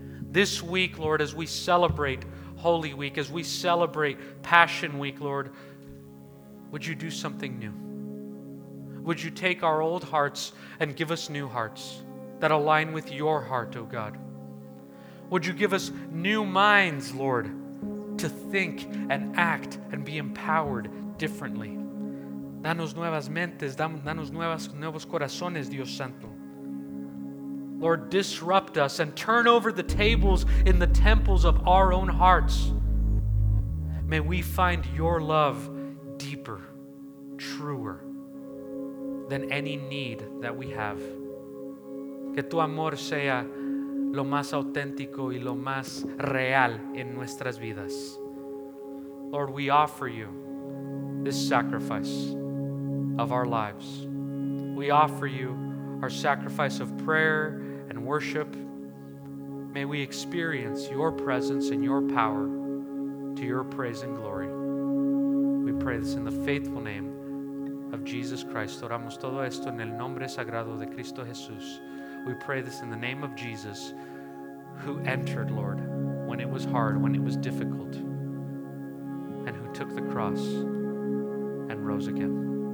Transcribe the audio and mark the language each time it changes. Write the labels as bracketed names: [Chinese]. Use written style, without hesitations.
[English] This week, Lord, as we celebrate Holy Week, as we celebrate Passion Week, Lord, would you do something new? Would you take our old hearts and give us new hearts that align with your heart, O God? Would you give us new minds, Lord, to think and act and be empowered differently? [Spanish] Danos nuevas mentes, danos nuevos corazones, Dios Santo. [English] Lord, disrupt us and turn over the tables in the temples of our own hearts. May we find your love deeper, truer than any need that we have. [Spanish] Que tu amor sea lo más auténtico y lo más real en nuestras vidas. [English] Lord, we offer you this sacrifice of our lives. We offer you our sacrifice of prayer and worship. May we experience your presence and your power to your praise and glory. We pray this in the faithful name of Jesus Christ. [Spanish] Oramos todo esto en el nombre sagrado de Cristo Jesús. [English] We pray this in the name of Jesus, who entered, Lord, when it was hard, when it was difficult, and who took the cross and rose again.